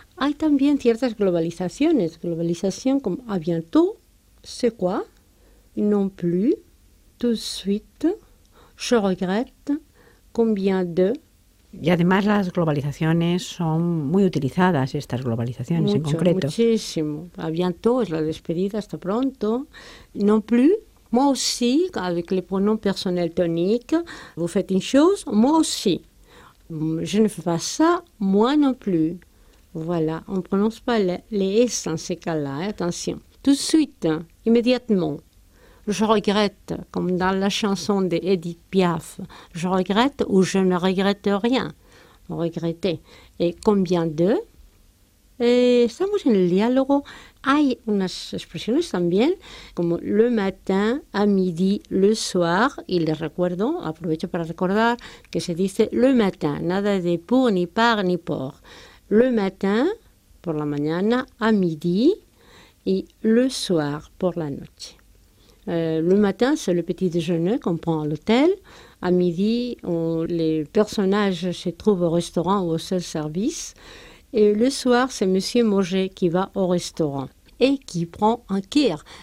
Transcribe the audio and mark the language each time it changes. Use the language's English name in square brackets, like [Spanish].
[Spanish] Hay también ciertas globalizaciones, globalización como [French] a bientôt, c'est quoi, non plus, tout de suite, je regrette, combien de. [Spanish] Y además las globalizaciones son muy utilizadas, estas globalizaciones mucho, en concreto. Muchísimo. [French] A bientôt [Spanish] es la despedida, hasta pronto. [French] Non plus, moi aussi, avec le pronom personnel tonique. Vous faites une chose, moi aussi. Je ne fais pas ça, moi non plus. Voilà, on ne prononce pas les S dans ces cas-là, hein, attention. Tout de suite, immédiatement, je regrette, comme dans la chanson d'Edith Piaf, je regrette ou je ne regrette rien. Regretter. Et combien de? [Spanish] Estamos en el diálogo. Hay unas expresiones también, como [French] le matin, a midi, le soir. [Spanish] Y les recuerdo, aprovecho para recordar, que se dice [French] le matin. [Spanish] Nada de pour, ni par, ni por. [French] Le matin, [Spanish] por la mañana, [French] a midi, [Spanish] y [French] le soir, [Spanish] por la noche. [French] Le matin, c'est le petit déjeuner qu'on prend à l'hôtel. À midi, les personnages se trouvent au restaurant ou au self-service. Et le soir, c'est Monsieur Moget qui va au restaurant et qui prend un kir.